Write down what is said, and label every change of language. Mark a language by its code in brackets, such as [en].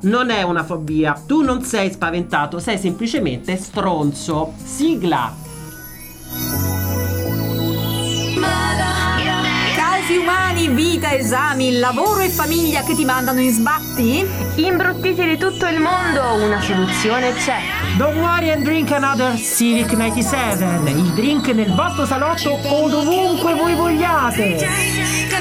[it] Non è una fobia. Tu non sei spaventato, sei semplicemente stronzo. Sigla. Casi umani, vita, esami, lavoro e famiglia che ti mandano in sbatti? Imbruttiti di tutto il mondo, una soluzione c'è. [en] Don't worry and drink another Civic 97. [it] Il drink nel vostro salotto o dovunque voi vogliate.